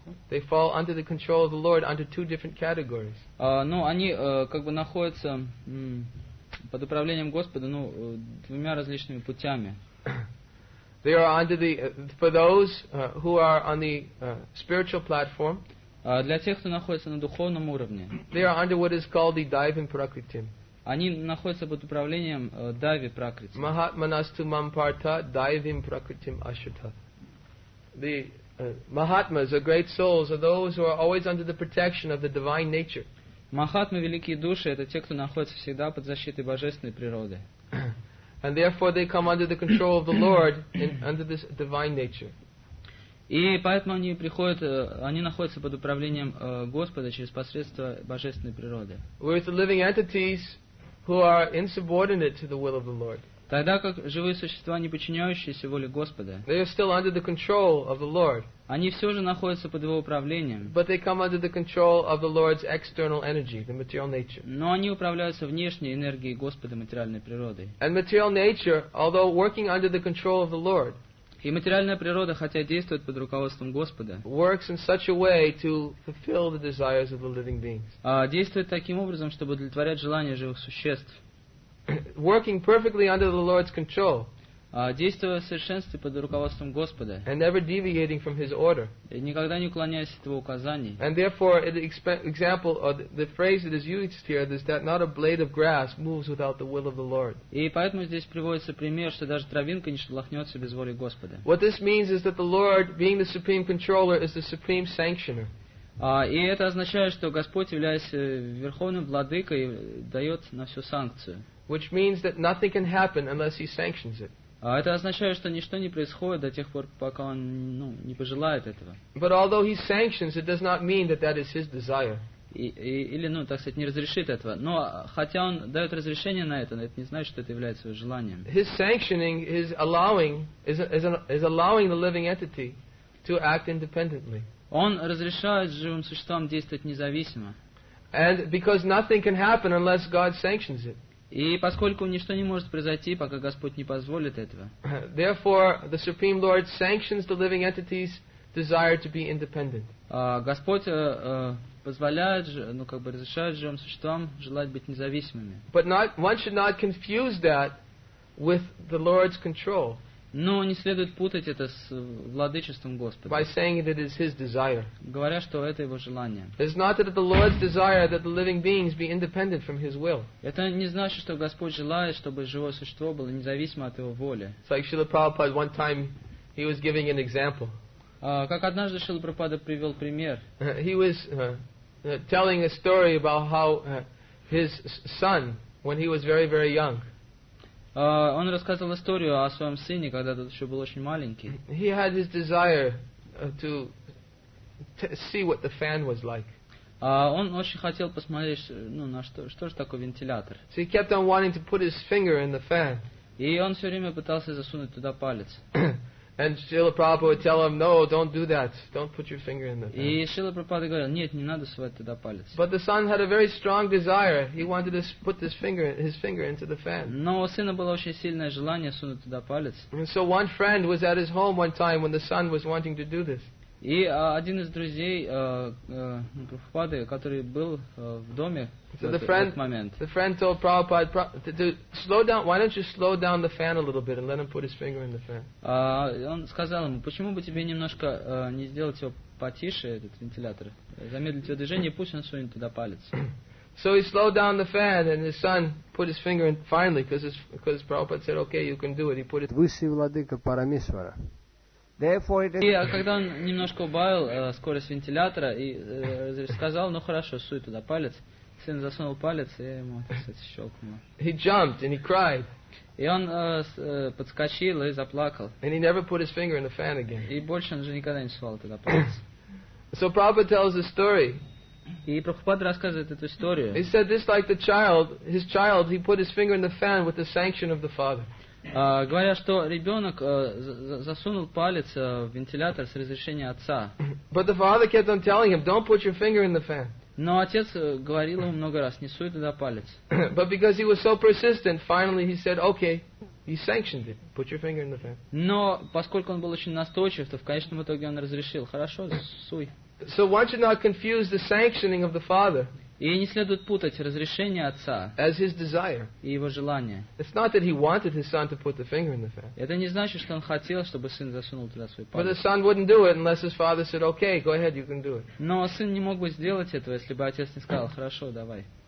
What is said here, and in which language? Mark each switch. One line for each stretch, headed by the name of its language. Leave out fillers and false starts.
English: They fall under the control of the Lord under two different categories.
Russian: Они находятся под управлением Господа, двумя различными путями.
English: They are under the for those who are on the spiritual platform.
Russian: Для тех, кто находится на духовном уровне.
English: They are under what is called the Daivin Prakriti.
Russian: Они находятся под управлением Дайви Пракрити.
Sanskrit: Mahatmanastu mam partha Daivin Prakriti Ashrita.
English: The Mahatmas, the great souls, are those who are always under the protection of the divine nature.
Russian: Махатмы, великие души, это те, кто находится всегда под защитой божественной природы.
English: And therefore they come under the control of the Lord and under this divine nature.
Russian: И поэтому они находятся под управлением Господа через посредство божественной природы.
English: Whereas the living entities who are insubordinate to the will of the Lord.
Russian: Тогда как живые существа, не подчиняющиеся воле Господа,
English: they are still under the control of the Lord.
Russian: Они все же находятся под Его управлением.
English: But they come under the control of the Lord's external energy, the material nature.
Russian: Но они управляются внешней энергией Господа, материальной природой.
English: And material nature, although working under the control of the Lord,
Russian: и материальная природа, хотя действует под руководством Господа,
English: works in such a way to fulfill the desires of the living beings.
Russian: Действует таким образом, чтобы удовлетворять желания живых существ.
English: Working perfectly under the Lord's control.
Russian: Действуя в совершенстве под руководством Господа.
English: And never deviating from His order.
Russian: И никогда не уклоняясь от Его указаний.
English: And therefore, the example or the phrase that is used here is that not a blade of grass moves without the will of the Lord.
Russian: И поэтому здесь приводится пример, что даже травинка не шелохнется без воли Господа.
English: What this means is that the Lord, being the supreme controller, is the supreme sanctioner.
Russian: И это означает, что Господь, являясь верховным владыкой, дает на всю санкцию.
English: Which means that nothing can happen unless He sanctions it.
Russian: Это означает, что ничто не происходит до тех пор, пока он не пожелает этого.
English: But although He sanctions, it does not mean that that is His desire.
Russian: Не разрешит этого. Но хотя он дает разрешение на это не значит, что это является его желанием.
English: His sanctioning, His allowing, is allowing the living entity to act independently.
Russian: Он разрешает живым существам действовать независимо.
English: And because nothing can happen unless God sanctions it.
Russian: И поскольку ничто не может произойти, пока Господь не позволит этого.
English: Therefore, the Supreme Lord sanctions the living entity's desire to be independent.
Russian: Господь позволяет, разрешает живым существам желать быть независимыми.
English: But not, one should not confuse that with the Lord's control.
Russian: Но не следует путать это с владычеством Господа.
English: By saying that it is His desire.
Russian: Говоря, что это Его желание.
English: It is not that it is the Lord's desire that the living beings be independent from His will.
Russian: Это не значит, что Господь желает, чтобы живое существо было независимо от Его воли.
English: It's like Srila Prabhupada one time, he was giving an example.
Russian: Как однажды Шрила Прабхупада привел пример.
English: He was telling a story about how his son, when he was very, very young,
Russian: Он рассказывал историю о своем сыне, когда тот еще был очень маленький.
English: He had his desire to see what the fan was like.
Russian: Он очень хотел посмотреть, на что же такое вентилятор.
English: So he kept on wanting to put his finger in the fan.
Russian: И он все время пытался засунуть туда палец.
English: And Srila Prabhupada would tell him, no, don't do that. Don't put your finger in the fan.
Russian: И Шрила Прабхупада говорил, нет, не надо совать туда палец.
English: But the son had a very strong desire. He wanted to put his finger into the fan.
Russian: Но у сына было очень сильное желание сунуть туда палец.
English: And so one friend was at his home one time when the son was wanting to do this.
Russian: И один из друзей Прабхупады, который был в доме
English: so
Russian: в этот момент.
English: The friend told Prabhupada to slow down, why don't you slow down the fan a little bit and let him put his finger in the fan.
Russian: Он сказал ему, почему бы тебе немножко не сделать его потише, этот вентилятор, замедлить его движение, пусть он сунет туда палец.
English: So he slowed down the fan and his son put his finger in finally because Prabhupada said, okay, you can do it. He put it.
Russian: Высший владыка Парамешвара. И когда он немножко убавил скорость вентилятора и сказал, хорошо, суй туда палец, сын засунул палец, и ему, щелкнуло.
English: He jumped and he cried.
Russian: И он подскочил и заплакал.
English: And he never put his finger in the fan again.
Russian: И больше он же никогда не сувал туда палец.
English: So Prabhupada tells the story.
Russian: И Прабхупада рассказывает эту историю.
English: He said this like the child, his child, he put his finger in the fan with the sanction of the father.
Russian: Говоря, что ребенок засунул палец в вентилятор с разрешения отца.
English: But the father kept on telling him, "Don't put your finger in the fan."
Russian: Но отец говорил ему много раз, не суй туда палец.
English: But because he was so persistent, finally he said, "Okay, he sanctioned it. Put your finger in the fan."
Russian: Но поскольку он был очень настойчив, то в конечном итоге он разрешил. Хорошо, суй.
English: So why should not confuse the sanctioning of the father?
Russian: И не следует путать разрешение отца и его желание.
English: It's not that he wanted his son to put the finger in the fan.
Russian: Это не значит, что он хотел, чтобы сын засунул туда свой палец.
English: But the son wouldn't do it unless his father said, "Okay, go ahead, you can do it."
Russian: Но сын не мог бы сделать этого, если бы отец не сказал, "Хорошо, давай."